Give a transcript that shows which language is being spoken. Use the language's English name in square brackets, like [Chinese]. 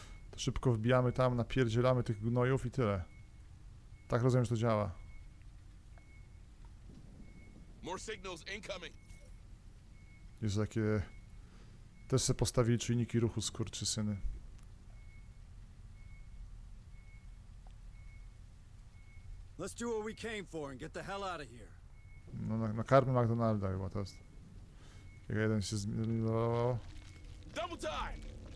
[Polish] To szybko wbijamy tam, napierdzielamy tych gnojów i tyle. Tak rozumiem, że to działa. [English] More signals incoming. [Polish] Jest takie... Też sobie postawili czujniki ruchu, skurczysyny. [English] Let's do what we came for and get the hell out of here. [Polish] No, nakarmy McDonalda chyba teraz. Jak jeden się zmieniował. [English] Double time!